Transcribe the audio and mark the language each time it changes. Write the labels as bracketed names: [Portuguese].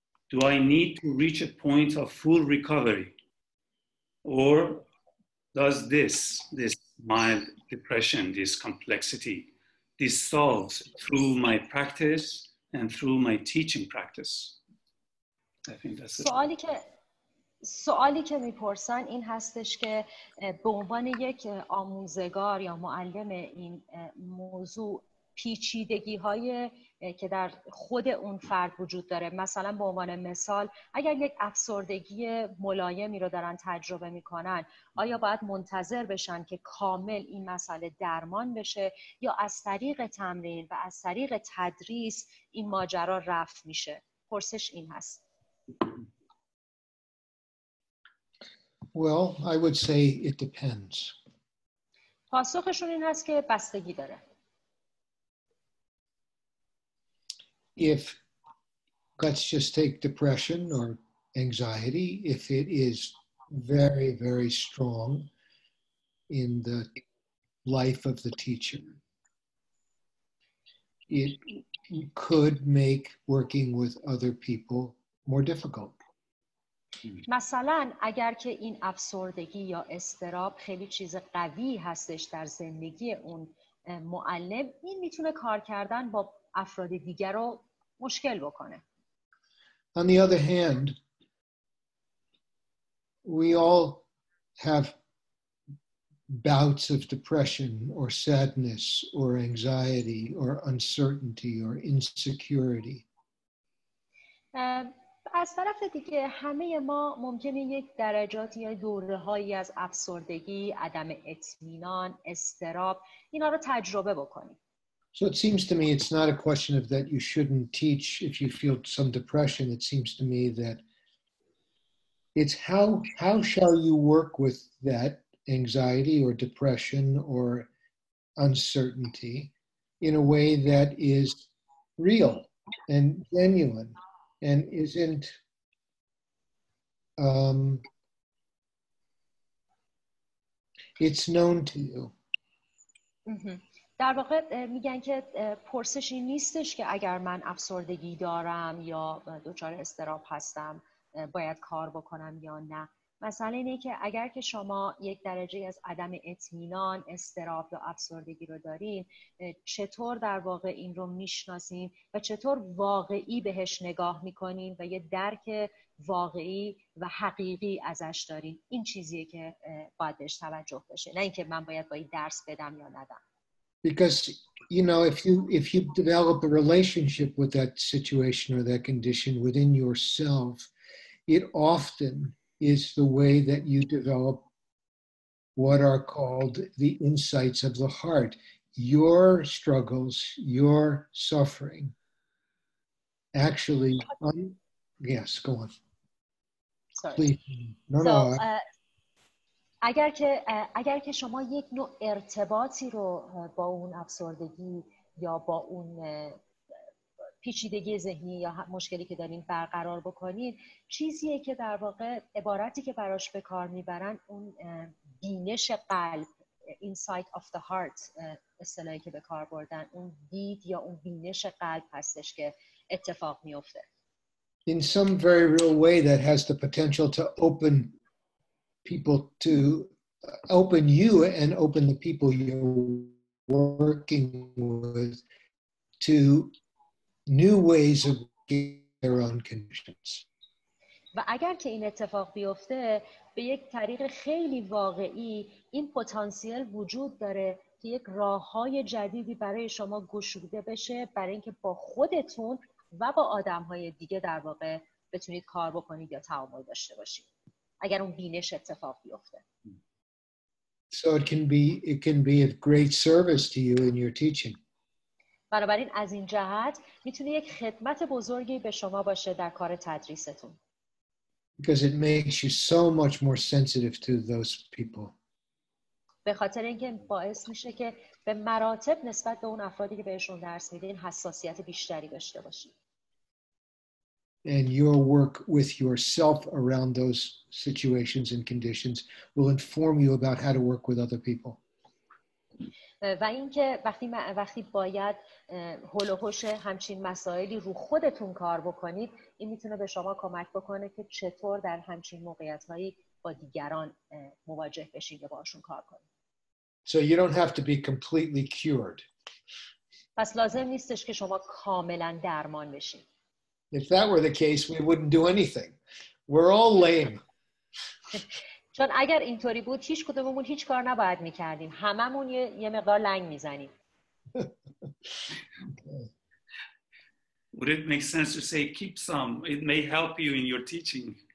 [English] Do I need to reach a point of full recovery? Or does this mild depression, this complexity, dissolve through my practice and through my teaching practice? I think that's it. [Persian] سوالی که میپرسن این هستش که به عنوان یک آموزگار یا معلم این موضوع پیچیدگی های که در خود اون فرد وجود داره، مثلا به عنوان مثال اگر یک افسردگی ملایمی رو دارن تجربه میکنن، آیا باید منتظر بشن که کامل این مسئله درمان بشه یا از طریق تمرین و از طریق تدریس این ماجرا رفع میشه؟ پرسش این هست. [English] Well, I would say it depends. [Persian] پاسخشون این هست که بستگی داره. [English] If, let's just take depression or anxiety, if it is very, very strong in the life of the teacher, it could make working with other people more difficult. [Persian] مثلا اگر که این افسردگی یا استراب خیلی چیز قوی هستش در زندگی اون معلم، این میتونه کار کردن با افراد دیگر رو مشکل بکنه. [English] On the other hand, we all have bouts of depression or sadness or anxiety or uncertainty or insecurity. [Persian] از طرف دیگه همه ما ممکنه یک درجات یا دوره‌هایی از افسردگی، عدم اطمینان، استراب اینا رو تجربه بکنیم. [English] So it seems to me it's not a question of that you shouldn't teach if you feel some depression. It seems to me that it's how shall you work with that anxiety or depression or uncertainty in a way that is real and genuine and isn't it's known to you. [Persian] در واقع میگن که پرسشی نیستش که اگر من افسردگی دارم یا دچار استراب هستم باید کار بکنم یا نه. مثلا اینه که اگر که شما یک درجه از عدم اطمینان، استراب یا افسردگی رو دارین، چطور در واقع این رو میشناسین و چطور واقعی بهش نگاه میکنین و یه درک واقعی و حقیقی ازش دارین. این چیزیه که باید بهش توجه بشه، نه اینکه من باید با این درس بدم یا ندم. [English] Because, you know, if you develop a relationship with that situation or that condition within yourself, it often is the way that you develop what are called the insights of the heart. Your struggles, your suffering, actually, yes, go on. Sorry. Please. No. [Persian] اگر که شما یک نوع ارتباطی رو با اون افسردگی یا با اون پیچیدگی ذهنی یا مشکلی که دارین برقرار بکنین، چیزیه که در واقع عبارتی که براش به کار میبرن اون بینش قلب، [English] insight of the heart [Persian] اصطلاحی که به کار بردن، اون دید یا اون بینش قلب هستش که اتفاق میفته. [English] In some very real way that has the potential to open people to open you and open the people you're working with to new ways of their own conditions. [Persian] و اگر که این اتفاق بیفته به یک طریق خیلی واقعی این پتانسیل وجود داره که یک راه‌های جدیدی برای شما گشوده بشه برای اینکه با خودتون و با آدم‌های دیگه در واقع بتونید کار بکنید یا تعامل داشته باشید. اگر اون بینش اتفاق بیفته. [English] So it can be of great service to you in your teaching. [Persian] بنابراین از این جهت میتونه یک خدمت بزرگی به شما باشه در کار تدریستون. [English] Because it makes you so much more sensitive to those people. [Persian] به خاطر اینکه باعث میشه که به مراتب نسبت به اون افرادی که بهشون درس میدین حساسیت بیشتری داشته باشید. [English] And your work with yourself around those situations and conditions will inform you about how to work with other people. [Persian] و اینکه وقتی باید هول و هوش همچین مسائلی رو خودتون کار بکنید، این میتونه به شما کمک بکنه که چطور در همچین موقعیت‌هایی با دیگران مواجه بشید یا باشون کار کنید. [English] So you don't have to be completely cured. [Persian] پس لازم نیستش که شما کاملا درمان بشید. [English] If that were the case, we wouldn't do anything. We're all lame. [Persian] چون اگر اینطوری بود هیچ کدوممون هیچ کار نباید می‌کردیم. هممون یه مقدار لنگ می‌زنیم. [English] Would it make sense to say keep some? It may help you in your teaching.